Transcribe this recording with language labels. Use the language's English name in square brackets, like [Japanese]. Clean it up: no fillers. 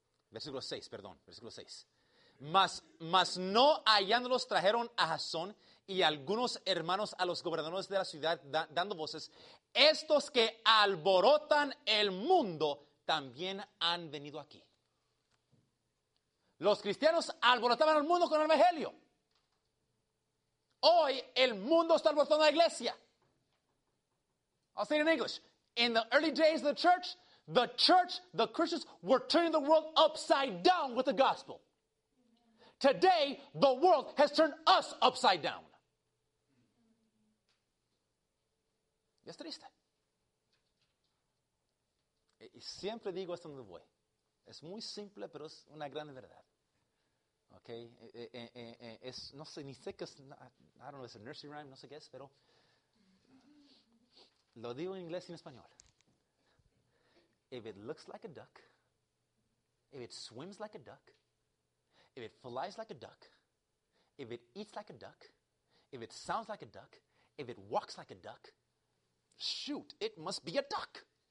[Spanish] Versículo 6. Mas no hallándolos, trajeron a Jasón y a algunos hermanos a los gobernadores de la ciudad, dando voces, estos que alborotan el mundo también han venido aquí. Los cristianos alborotaban al mundo con el evangelio. Hoy el mundo está alborotando a la iglesia. [English] I'll say it in English. In the early days of the church, the Christians were turning the world upside down with the gospel. Today, the world has turned us upside down. [Spanish] Y es triste. Y siempre digo esto donde voy. Es muy simple, pero es una gran verdad. Ok, es, no sé, ni sé qué es, es un nursery rhyme, no sé qué es, pero lo digo en inglés y en español. [English] If it looks like a duck, if it swims like a duck, if it flies like a duck, if it eats like a duck, if it sounds like a duck, if it walks like a duck, shoot, it must be a duck.